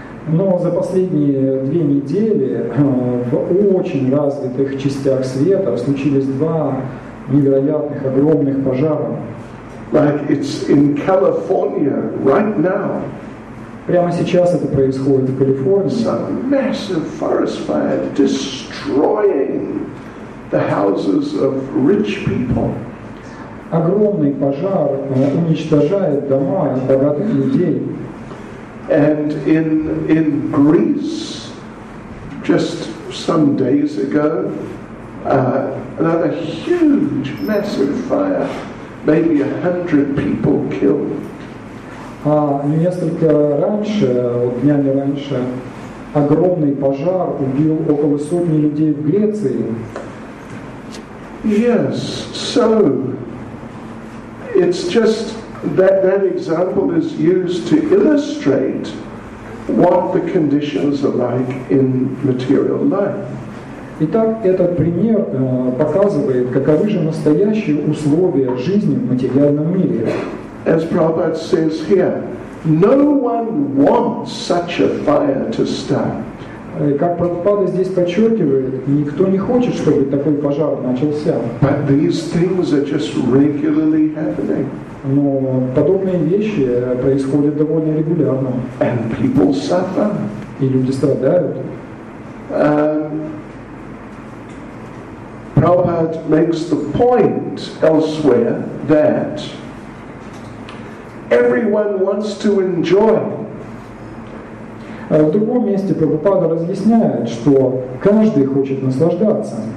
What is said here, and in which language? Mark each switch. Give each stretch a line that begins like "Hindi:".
Russian: Но за последние две недели в очень развитых частях света случились два невероятных огромных пожара.
English: Like it's in California right now.
Russian: Прямо сейчас это происходит в Калифорнии.
English: Some massive forest fire destroying the houses of rich people.
Russian: Огромный пожар уничтожает дома богатых людей.
English: And in Greece, just some days ago, another huge massive fire. Maybe 100 people killed.
Russian: Несколько раньше, днями раньше, огромный пожар убил около сотни людей в Греции.
English: Yes, so it's just that example is used to illustrate what the conditions are like in material life.
Russian: Итак, этот пример показывает, каковы же настоящие условия жизни в материальном мире.
English: As Prabhupada says here, no one wants such a fire to start.
Russian: Как Прабхупада здесь подчеркивает, никто не хочет, чтобы такой пожар начался.
English: But these things are just regularly happening.
Russian: Но подобные вещи происходят довольно регулярно.
English: And people suffer.
Russian: И люди страдают.
English: Prabhupada makes the point elsewhere that everyone wants to enjoy.
Russian: В другом месте Прабхупада разъясняет, что каждый хочет наслаждаться.